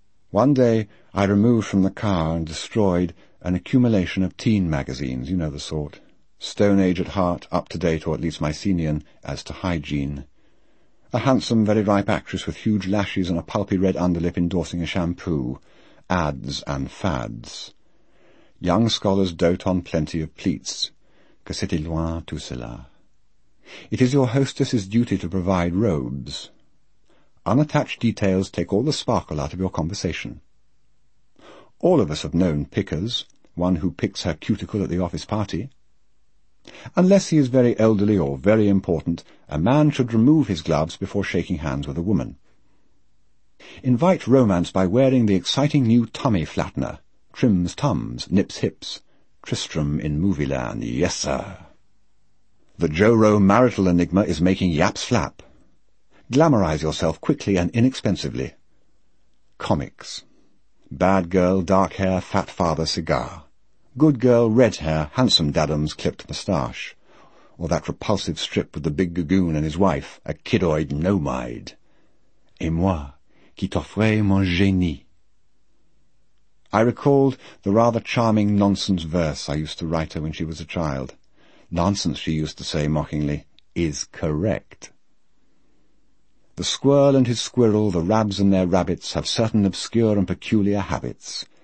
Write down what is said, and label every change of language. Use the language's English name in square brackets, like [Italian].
[English] One day I removed from the car and destroyed an accumulation of teen magazines, you know the sort. Stone Age at heart, up to date, or at least Mycenaean, as to hygiene. A handsome, very ripe actress with huge lashes and a pulpy red underlip endorsing a shampoo. Ads and fads. Young scholars dote on plenty of pleats. [French] Que c'était loin tout cela. [English] It is your hostess's duty to provide robes. Unattached details take all the sparkle out of your conversation. All of us have known pickers, one who picks her cuticle at the office party. Unless he is very elderly or very important, a man should remove his gloves before shaking hands with a woman. Invite romance by wearing the exciting new tummy flattener. Trims tums, nips hips. Tristram in movie land, yes sir. The Joro marital enigma is making yaps flap. Glamorize yourself quickly and inexpensively. Comics. Bad girl, dark hair, fat father, cigar. Good girl, red hair, handsome dadums, clipped moustache. Or that repulsive strip with the big gagoon and his wife, a kiddoid nomad. [French] Et moi, qui t'offrais mon génie. [English] I recalled the rather charming nonsense verse I used to write her when she was a child. Nonsense, she used to say mockingly, is correct. The squirrel and his squirrel, the rabs and their rabbits, have certain obscure and peculiar habits.